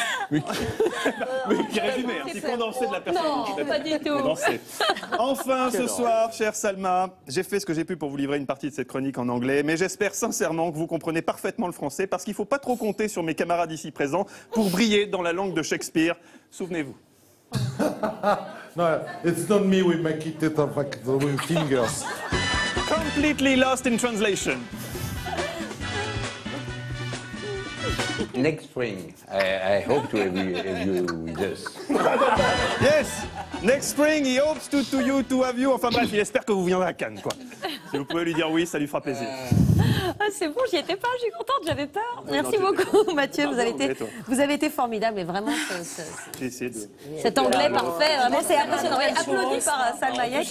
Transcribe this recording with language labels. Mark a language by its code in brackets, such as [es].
[fr] Mais qui résumé, c'est condensé de la personne. Non, pas du tout. Condensé. Enfin, ce soir, chère Salma, j'ai fait ce que j'ai pu pour vous livrer une partie de cette chronique en anglais, mais j'espère sincèrement que vous comprenez parfaitement le français, parce qu'il ne faut pas trop compter sur mes camarades ici présents pour briller dans la langue de Shakespeare. Souvenez-vous. [en] No, it's not me, we make it with our fingers. Completely lost in translation. Next spring, I hope to have you with us. Yes, next spring, he hopes to have you. [fr] Enfin bref, il espère que vous viendrez à Cannes, quoi. Si vous pouvez lui dire oui, ça lui fera plaisir. Ah, c'est bon, j'y étais pas, j'ai contente, j'avais peur. Merci beaucoup, Mathieu. Vous avez été formidable, mais vraiment. Cet anglais parfait, vraiment, c'est impressionnant. Applaudi par Salma Hayek.